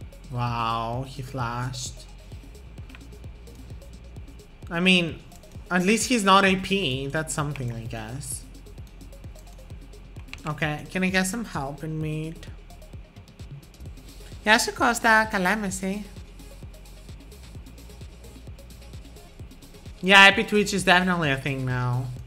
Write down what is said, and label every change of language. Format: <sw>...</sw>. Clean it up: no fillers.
<en>Wow, he flashed. I mean, at least he's not AP. That's something, I guess. Okay, can I get some help in mid?</en> <el>Γεια σου Κώστα, καλά είμαι εσύ.</el> <en>Yeah, Epic Twitch is definitely a thing now.</en>